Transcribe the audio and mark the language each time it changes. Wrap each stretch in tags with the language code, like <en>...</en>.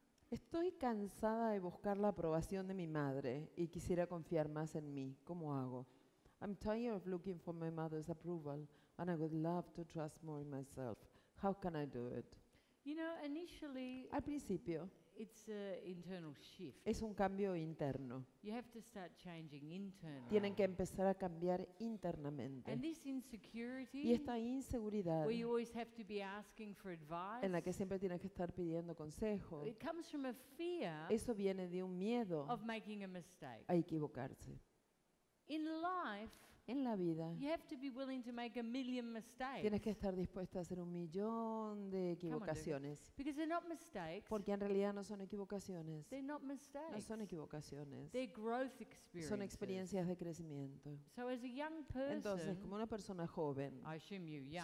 <es>Estoy cansada de buscar la aprobación de mi madre y quisiera confiar más en mí. ¿Cómo hago?</es> <en>I'm tired of looking for my mother's approval and I would love to trust more in myself. How can I do it? You know, initially,</en> <es>Al principio,</es> <en>it's an internal shift.</en> <es>es un cambio interno.</es> <en>You have to start changing internally.</en> <es>Tienen que empezar a cambiar internamente.</es> <en>And this insecurity,</en> <es>y esta inseguridad,</es> <en>where you always have to be asking for advice,</en> <es>en la que siempre tienes que estar pidiendo consejo,</es> <en>it comes from a fear,</en> <es>eso viene de un miedo</es> <en>of making a mistake.</en> <es>A equivocarse.</es> <en>In life,</en> <es>en la vida,</es> <en>you have to be willing to make a million mistakes.</en> <es>Tienes que estar dispuesta a hacer un millón de equivocaciones.</es> <en>Come on, because they're not mistakes.</en> <es>Porque en realidad no son equivocaciones.</es> <en>They're not mistakes.</en> <es>No son equivocaciones.</es> <en>They're growth experiences.</en> <es>Son experiencias de crecimiento.</es> <en>So as a young person,</en> <es>entonces, como una persona joven,</es> <en>I assume you're young,</en>